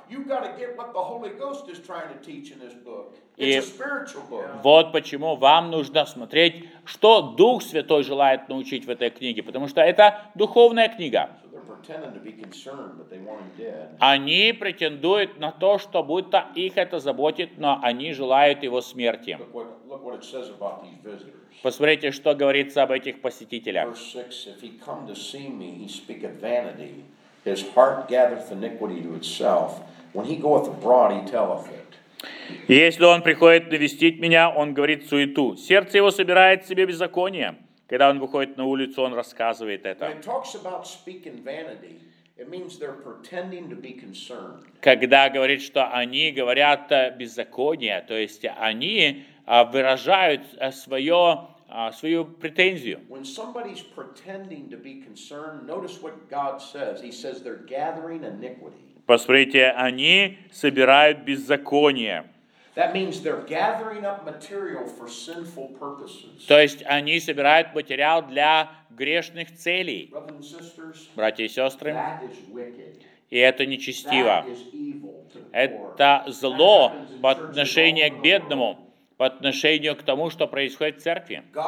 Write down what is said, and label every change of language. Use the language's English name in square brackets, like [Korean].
[English] You've got to get what the Holy Ghost is trying to teach in this book. It's a spiritual book. [Russian] Вот почему вам нужно смотреть, что Дух Святой желает научить в этой книге, потому что это духовная книга. [English] So they're pretending to be concerned, but they want him dead. [Russian] Они претендуют на то, что будто их это заботит, но они желают его смерти. [English] Look what it says about these visitors. [Russian] Посмотрите, что говорится об этих посетителях. [English] Verse 6, if he come to see me, he speak of vanity. His heart gathereth iniquity to itself. When he goeth abroad, he telleth it. [Russian] Если он приходит навестить меня, он говорит суету. Сердце его собирает себе беззаконие. Когда он выходит на улицу, он рассказывает это. [English] When it talks about speaking vanity, it means they're pretending to be concerned. [Russian] Когда говорит, что они говорят беззаконие, то есть они выражают свое свою претензию. [English] When somebody's pretending to be concerned, notice what God says. He says they're gathering iniquity. [Russian] Посмотрите, они собирают беззаконие. [English] That means they're gathering up material for sinful purposes. [Russian] То есть они собирают материал для грешных целей. [English] Brothers and sisters, [Russian] братья и сестры, [English] that is wicked. [Russian] И это нечестиво. Это зло по отношению к бедному, по отношению к тому, что происходит в церкви.